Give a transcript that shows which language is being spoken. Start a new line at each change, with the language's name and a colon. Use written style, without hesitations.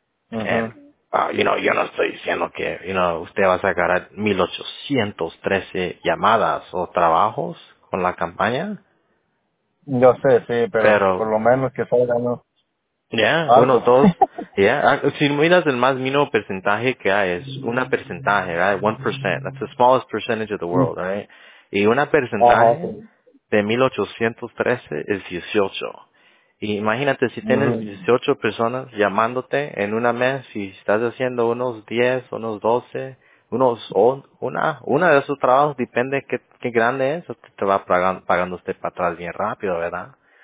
Spanish: Yo no estoy diciendo que, usted va a sacar 1813 llamadas o trabajos con la campaña. Yo sé, sí, pero por lo menos que salga, ¿no? Uno, dos. Si miras el más mínimo porcentaje que hay, es una porcentaje, right? 1%.
English: That's the smallest percentage of the world, right?
Spanish: Y una porcentaje de 1813 es 18. Y imagínate si tienes 18 personas llamándote en una mes y estás haciendo unos 10, unos 12, unos una de esos trabajos, depende qué grande es, te va pagando usted para atrás bien rápido, ¿verdad?